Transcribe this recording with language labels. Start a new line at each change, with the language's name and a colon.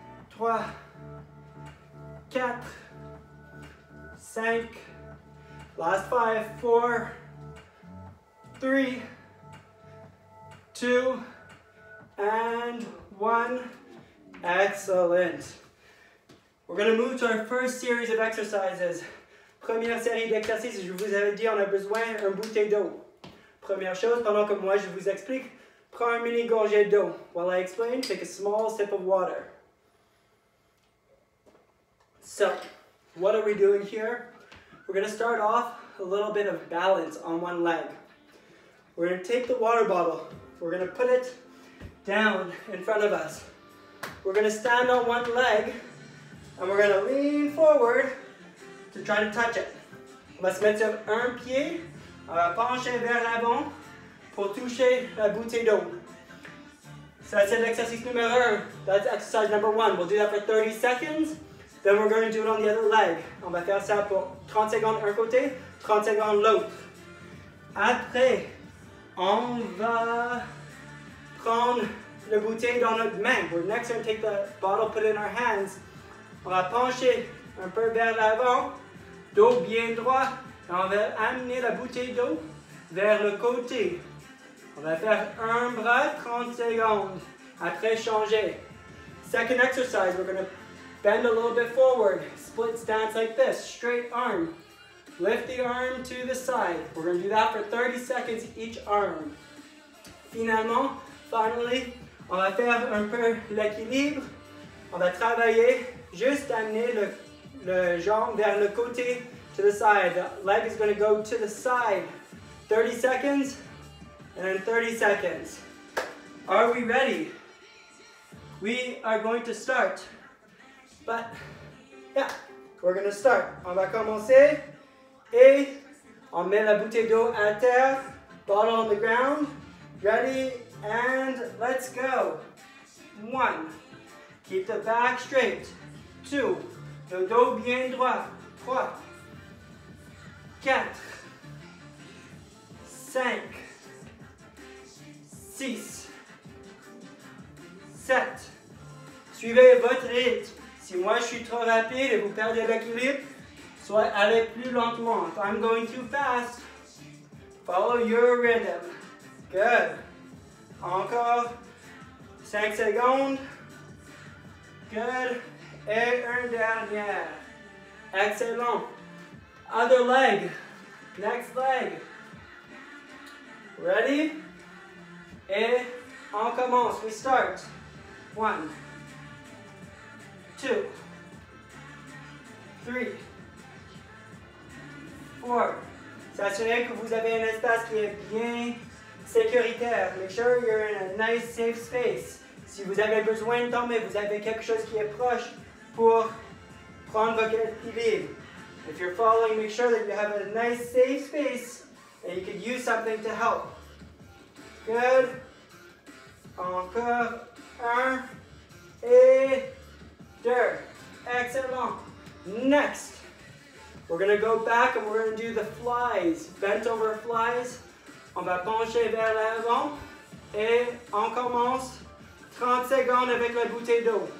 English: 3, 4, 5, last 5, 4, 3, 2, and 1. Excellent. We're going to move to our first series of exercises.
French: Première série d'exercices, je vous avais dit, on a besoin d'une bouteille d'eau. Première chose, pendant que moi je vous explique, prends une mini gorgée d'eau.
English: While I explain, take a small sip of water. So, what are we doing here? We're going to start off a little bit of balance on one leg. We're going to take the water bottle. We're going to put it down in front of us. We're going to stand on one leg, and we're going to lean forward to try to touch it.
French: On va se mettre sur un pied, on va pencher vers l'avant pour toucher la bouteille d'eau. Ça, c'est l'exercice numéro 1.
English: That's exercise number 1. We'll do that for 30 seconds. Then we're going to do it on the other leg.
French: On va faire ça pour 30 secondes un côté, 30 secondes l'autre. Après, on va prendre la bouteille dans notre main.
English: We're next going to take the bottle, put it in our hands.
French: On va pencher un peu vers l'avant, dos bien droit. Et on va amener la bouteille d'eau vers le côté. On va faire un bras, 30 secondes. Après, changer.
English: Second exercise, we're going to bend a little bit forward. Split stance like this, straight arm. Lift the arm to the side. We're going to do that for 30 seconds each arm.
French: Finalement, finally, on va faire un peu l'équilibre. On va travailler juste d'amener le jambe vers le côté,
English: to the side. The leg is going to go to the side. 30 seconds, and then 30 seconds. Are we ready? We are going to start. But, yeah, we're going to start.
French: On va commencer. Et on met la bouteille d'eau à terre.
English: Bottle on the ground. Ready? And let's go. One. Keep the back straight.
French: Two. Le dos bien droit. Trois. Quatre. Cinq. Six. Sept. Suivez votre rythme. Si moi je suis trop rapide et vous perdez l'équilibre, soit allez plus lentement.
English: If I'm going too fast, follow your rhythm.
French: Good. Encore 5 secondes. Good. Et un dernier.
English: Excellent. Other leg. Next leg. Ready?
French: Et on commence.
English: We start. One. Two. Three. Four.
French: S'assurez que vous avez un espace qui est bien sécuritaire.
English: Make sure you're in a nice, safe space.
French: Si vous avez besoin de tomber, vous avez quelque chose qui est proche pour prendre votre équilibre.
English: If you're falling, make sure that you have a nice, safe space and you can use something to help.
French: Good. Encore un. Et deux. Excellent. Next.
English: We're going to go back and we're going to do the flies. Bent over flies.
French: On va pencher vers l'avant et on commence 30 secondes avec la bouteille d'eau.